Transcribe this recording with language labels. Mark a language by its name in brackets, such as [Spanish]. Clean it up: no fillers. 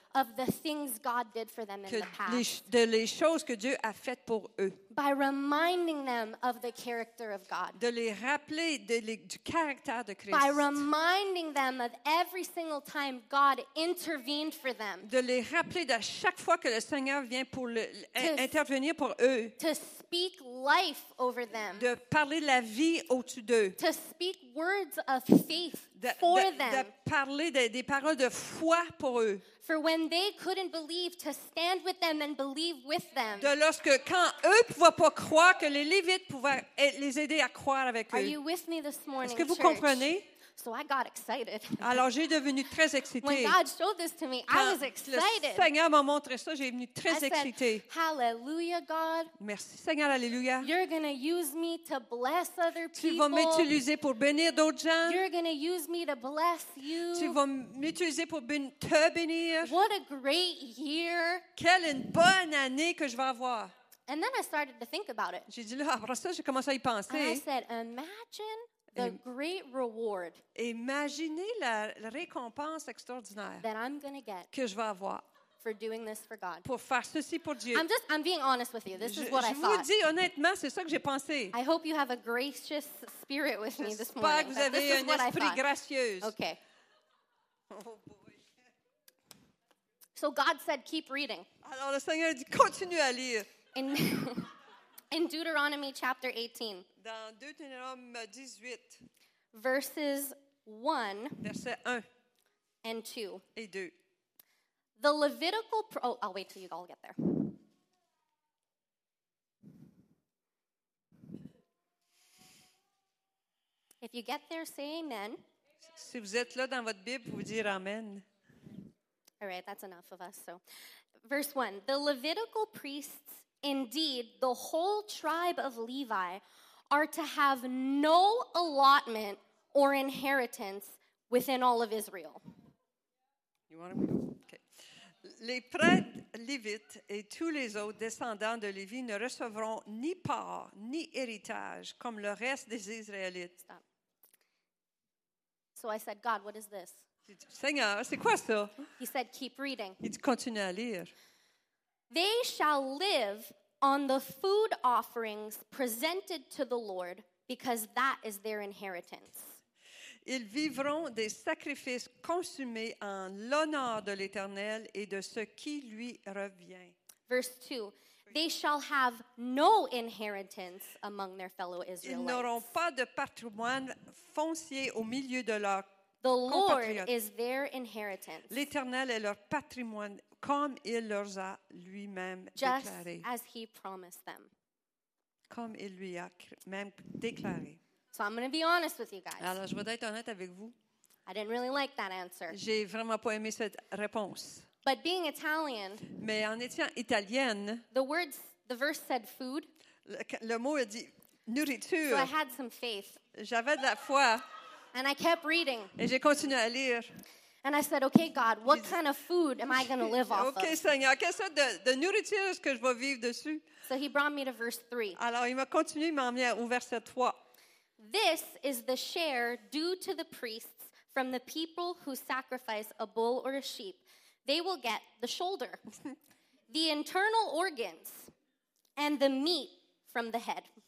[English] of the things God did for them in the past, [French] les choses que Dieu a faites pour eux, [English] by reminding them of the character of God, [French] de les rappeler du caractère de Christ, [English] by reminding them of every single time God intervened for them, [French] de les rappeler de chaque fois que le Seigneur vient pour intervenir pour eux, [English] to speak life over them, [French] de parler la vie au-dessus d'eux, [English] to speak words of faith for them, [French] de parler des paroles de foi pour eux. [English] For when they couldn't believe, to stand with them and believe with them. [French] De lorsque quand eux pouvaient pas croire, que les Lévites pouvaient les aider à croire avec eux. [English] Are you with me this morning, [French] est-ce que vous [English] church? [French] Comprenez? [English] So I got excited. [French] Alors j'ai devenu très excitée. [English] When God showed this to me, [French] quand [English] I was excited. [French] Le Seigneur m'a montré ça, j'ai devenu très [English] I [French] excitée. [English] Said, Hallelujah, God. [French] Merci Seigneur, alléluia. [English] You're going to use me to bless other people. [French] Tu vas m'utiliser pour bénir d'autres gens. [English] You're going to use me to bless you. [French] Tu vas m'utiliser pour te bénir. [English] What a great year. [French] Quelle une bonne année que je vais avoir. [English] And then I started to think about it. [French] J'ai dit là, après ça, j'ai commencé à y penser. [English] And I said, imagine the great reward. [French] Imaginez la récompense extraordinaire [English] that I'm going to get. [French] Que je vais avoir. [English] For doing this for God. [French] Pour faire ceci pour Dieu. [English] I'm being honest with you. This is what I thought. [French] Je vous dis honnêtement, c'est ça que j'ai pensé. [English] I hope you have a gracious spirit with me this morning. [French] J'espère que vous avez un esprit gracieux. [English] Okay. So God said, keep reading. [French] Alors le Seigneur dit, continue à lire. [English] In Deuteronomy chapter 18. [French] Dans Deutéronome 18. [English] Verses 1. [French] Verset 1. [English] And 2. [French] Et 2. [English] The Levitical... Oh, I'll wait till you all get there. If you get there, say amen. [French] Si vous êtes là dans votre Bible, vous dire amen. [English] All right, that's enough of us. So, verse 1. The Levitical priests, indeed, the whole tribe of Levi, are to have no allotment or inheritance within all of Israel. You want to... [French] Les prêtres lévites et tous les autres descendants de Lévi ne recevront ni part ni héritage comme le reste des Israélites. [English] Stop. So I said, God, what is this? [French] Seigneur, c'est quoi ça? [English] He said, keep reading. [French] Il dit, continue à lire. [English] They shall live on the food offerings presented to the Lord because that is their inheritance. [French] Ils vivront des sacrifices consumés en l'honneur de l'Éternel et de ce qui lui revient. [English] Verse 2. They shall have no inheritance among their fellow Israelites. [French] Ils n'auront pas de patrimoine foncier au milieu de leurs compatriotes. [English] The Lord is their inheritance. [French] L'Éternel est leur patrimoine comme il leur a lui-même déclaré. [English] Just as he promised them. [French] Comme il lui a même déclaré. [English] So I'm going to be honest with you guys. [French] Alors, je vais être honnête avec vous. [English] I didn't really like that answer. [French] J'ai vraiment pas aimé cette réponse. [English] But being Italian, [French] mais en étant italienne, [English] the verse said food. [French] Le mot a dit nourriture. [English] So I had some faith. [French] J'avais de la foi. [English] And I kept reading. [French] Et j'ai continué à lire. [English] And I said, okay, God, what kind of food am I going to live off okay, of? [French] Okay, Seigneur, quelle sorte de nourriture est-ce que je vais vivre dessus? [English] So he brought me to verse 3. [French] Alors, il m'a continué, il m'a amené au verset 3. [English] This is the share due to the priests from the people who sacrifice a bull or a sheep. They will get the shoulder, the internal organs, and the meat from the head.